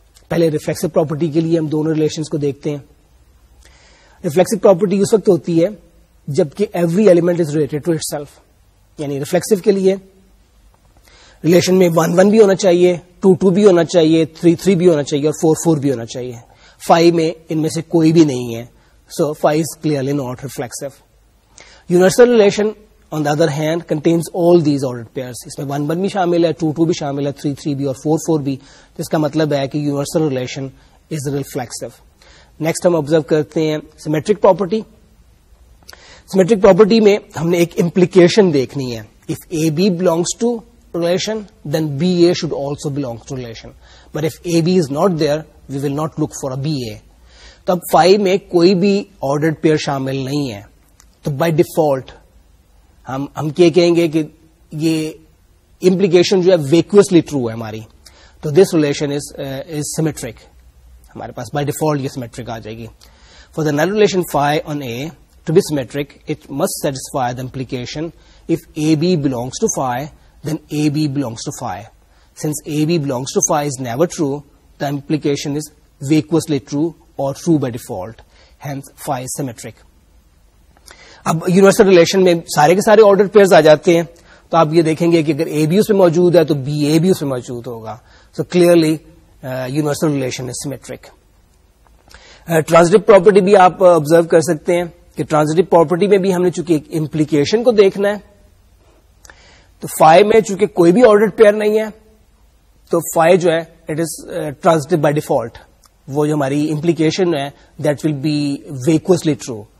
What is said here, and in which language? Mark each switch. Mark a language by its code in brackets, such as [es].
[ur] پہلے reflexive property کے لیے ہم دونوں ریلیشنز کو دیکھتے ہیں. ریفلیکسو پراپرٹی اس وقت ہوتی ہے جبکہ [en] Every element is related to itself. [ur] یعنی ریفلیکسو کے لیے ریلیشن میں 1-1 بھی ہونا چاہیے, 2-2 بھی ہونا چاہیے, 3-3 بھی ہونا چاہیے اور 4-4 بھی ہونا چاہیے. 5 میں ان میں سے کوئی بھی نہیں ہے. [en] So 5 is clearly not reflexive. Universal relation on the other hand contains all these ordered pairs. [ur] اس میں 1-1 بھی شامل ہے, 2-2 بھی شامل ہے, 3-3 بھی اور 4-4 بھی. جس کا مطلب ہے کہ [en] Universal relation is reflexive. [ur] Next ہم آبزرو کرتے ہیں سیمیٹرک پراپرٹی. سیمیٹرک پراپرٹی میں ہم نے ایک امپلیکیشن دیکھنی ہے. [en] If a b belongs to relation then b a should also belong to relation, but if a b is not there we will not look for b a a. [ur] تب 5 میں کوئی بھی آرڈرڈ پیئر شامل نہیں ہے, تو بائی ڈیفالٹ ہم یہ کہیں گے کہ یہ امپلیکیشن جو ہے [en] vacuously true [ur] ہے ہماری. تو [en] This relation is symmetric. [ur] ہمارے پاس بائی ڈیفالٹ یہ سیمیٹرک آ جائے گی. [en] For the null relation 5 on a to b symmetric it must satisfy the implication if a b belongs to 5 then a b belongs to 5. Since a b belongs to 5 is never true, the implication is vacuously true or true by default, hence 5 is symmetric. [ur] اب universal relation میں سارے کے سارے order pairs آ جاتے ہیں, تو آپ یہ دیکھیں گے کہ اگر اے بی اس میں موجود ہے تو بی اے بھی اس میں موجود ہوگا. [en] So clearly universal relation is symmetric. [ur] Transitive property بھی آپ آبزرو کر سکتے ہیں کہ ٹرانزٹیو پراپرٹی میں بھی ہم نے چونکہ ایک امپلیکیشن کو دیکھنا ہے, تو 5 میں چونکہ کوئی بھی آرڈر پیئر نہیں ہے تو 5 جو ہے [en] It is transitive by default. [ur] وہ جو ہماری امپلیکیشن ہے [en] That will be vacuously true.